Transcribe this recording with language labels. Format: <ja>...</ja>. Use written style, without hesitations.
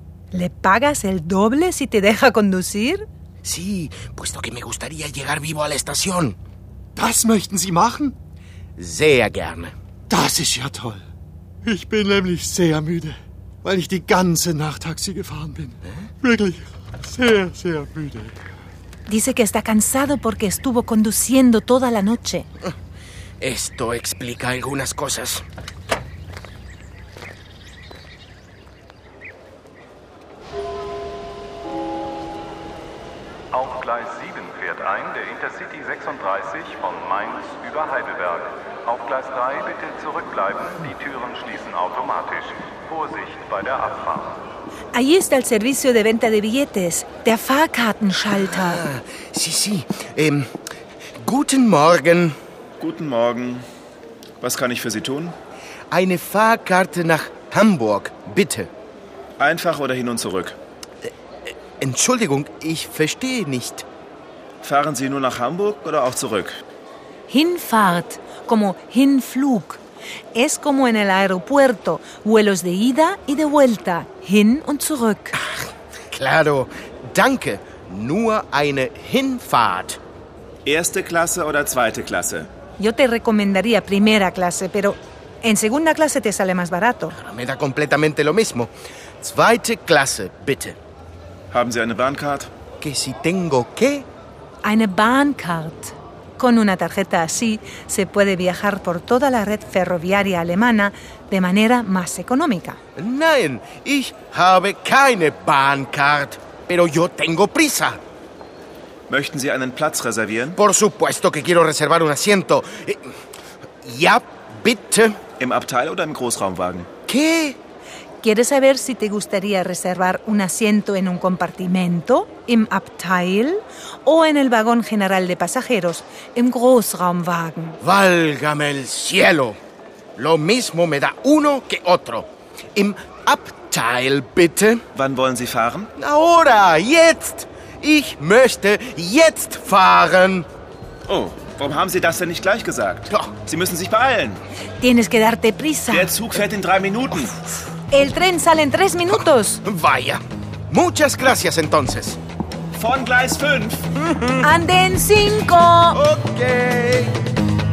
<es>¿Le pagas el doble si te deja conducir? Sí, puesto que me gustaría llegar vivo a la estación.</es> <de>¿Das möchten Sie machen? Sehr gerne. Das ist ja toll. Ich bin nämlich sehr müde, weil ich die ganze Nacht Taxi gefahren bin. ¿Eh? Wirklich sehr, sehr müde.</de> <es>Dice que está cansado porque estuvo conduciendo toda la noche. Esto explica algunas cosas.</es> <de>Auf Gleis 7 fährt ein der Intercity 36 von Mainz über Heidelberg. Auf Gleis 3 bitte zurückbleiben. Die Türen schließen automatisch. Vorsicht bei der Abfahrt.</de> <es>Allí está el servicio de venta de billetes, der Fahrkartenschalter. Ah, sí, sí.</es> <de>Guten Morgen. Guten Morgen. Was kann ich für Sie tun? Eine Fahrkarte nach Hamburg, bitte. Einfach oder hin und zurück? Entschuldigung, ich verstehe nicht. Fahren Sie nur nach Hamburg oder auch zurück? Hinfahrt, como Hinflug.</de> <es>Es como en el aeropuerto, vuelos de ida y de vuelta,</es> <de>hin und zurück. Ach, claro, danke. Nur eine Hinfahrt. Erste Klasse oder zweite Klasse?</de> <es>Yo te recomendaría primera clase, pero en segunda clase te sale más barato. Me da completamente lo mismo.</es> <de>Zweite Klasse, bitte. Haben Sie eine Bahncard?</de> <es>Que si tengo qué?</es> <de>Eine Bahncard.</de> <es>Con una tarjeta así se puede viajar por toda la red ferroviaria alemana de manera más económica.</es> <de>Nein, ich habe keine Bahncard,</de> <es>pero yo tengo prisa.</es> <de>Möchten Sie einen Platz reservieren?</de> <es>Por supuesto que quiero reservar un asiento.</es> <de>Ja, bitte. Im Abteil oder im Großraumwagen?</de> <es>¿Qué? ¿Quieres saber si te gustaría reservar un asiento en un compartimento,</es> <de>im Abteil,</de> <es>o en el vagón general de pasajeros,</es> <de>im Großraumwagen?</de> <es>¡Válgame el cielo! Lo mismo me da uno que otro.</es> <de>Im Abteil, bitte. ¿Wann wollen Sie fahren?</de> <es>¡Ahora! ¡Jetzt!</es> <de>¡Ich möchte jetzt fahren! Oh, warum haben Sie das denn nicht gleich gesagt? Doch. Sie müssen sich beeilen.</de> <es>Tienes que darte prisa.</es> <de>Der Zug fährt in 3 Minuten.</de> <es>El tren sale en 3 minutos. Vaya. Muchas gracias, entonces.</es> <de>Von Gleis 5.</de> <es>Anden 5. Ok.</es>